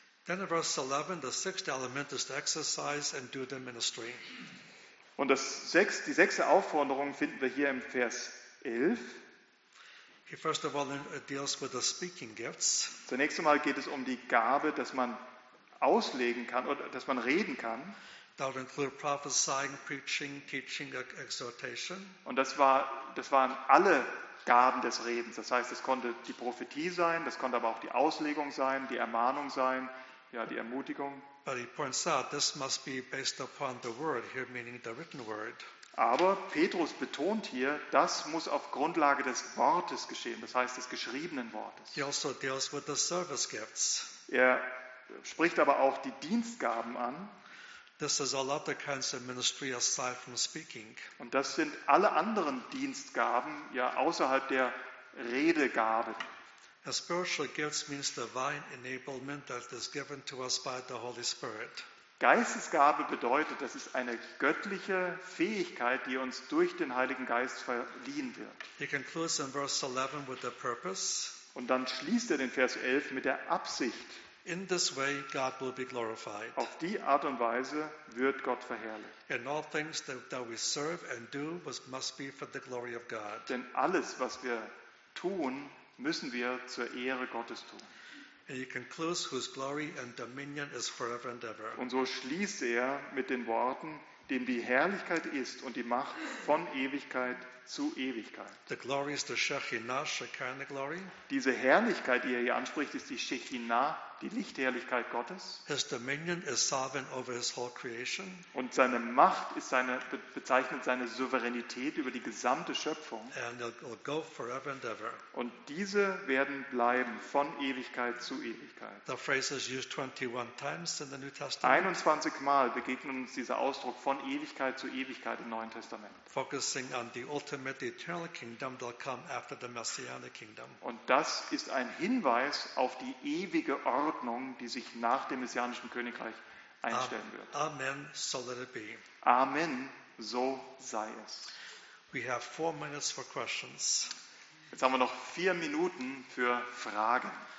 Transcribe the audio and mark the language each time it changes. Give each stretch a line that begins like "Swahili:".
English: Then in verse 11, the sixth element is to exercise and do the ministry.
German: Und die sechste Aufforderung finden wir hier im Vers 11.
English: He first of all deals with the speaking gifts.
German: Zunächst einmal geht es um die Gabe, dass man auslegen kann oder dass man reden kann.
English: That would include prophesying, preaching, teaching, exhortation.
German: Und das waren alle Gaben des Redens. Das heißt, es konnte die Prophetie sein, das konnte aber auch die Auslegung sein, die Ermahnung sein, ja, die Ermutigung.
English: But he points out, this must be based upon the word here, meaning the written word.
German: Aber Petrus betont hier, das muss auf Grundlage des Wortes geschehen, das heißt des geschriebenen Wortes.
English: He also deals with the service gifts.
German: Er spricht aber auch die Dienstgaben an.
English: This is all other kinds of ministry aside from speaking.
German: Und das sind alle anderen Dienstgaben, ja, außerhalb der Redegabe.
English: A spiritual gifts means divine enablement that is given to us by the Holy Spirit.
German: Geistesgabe bedeutet, das ist eine göttliche Fähigkeit, die uns durch den Heiligen Geist verliehen wird.
English: He concludes in verse 11 with the purpose.
German: Und dann schließt er den Vers 11 mit der Absicht.
English: In this way God will be glorified.
German: Auf die Art und Weise wird Gott verherrlicht.
English: In all things that we serve and do must be for the glory of God.
German: Denn alles, was wir tun, müssen wir zur Ehre Gottes tun.
English: And he concludes, whose glory and dominion is forever and ever.
German: Und so schließt er mit den Worten, dem die Herrlichkeit ist und die Macht von Ewigkeit zu Ewigkeit.
English: The glory is the Shekhinah, Shekinah glory.
German: Diese Herrlichkeit, die er hier anspricht, ist die Shekhinah, die Lichtherrlichkeit Gottes.
English: His dominion is sovereign over his whole creation.
German: Und seine Macht bezeichnet seine Souveränität über die gesamte Schöpfung.
English: And it'll go forever and ever.
German: Und diese werden bleiben von Ewigkeit zu Ewigkeit.
English: The phrase is used 21 times in the New Testament.
German: 21 Mal begegnet uns dieser Ausdruck von Ewigkeit zu Ewigkeit im Neuen Testament.
English: Focusing on the ultimate eternal kingdom that will come after the messianic kingdom.
German: Und das ist ein Hinweis auf die ewige Ordnung, die sich nach dem messianischen Königreich einstellen wird.
English: Amen, so let it be.
German: Amen, so sei es.
English: We have 4 minutes for questions.
German: Jetzt haben wir noch 4 Minuten für Fragen.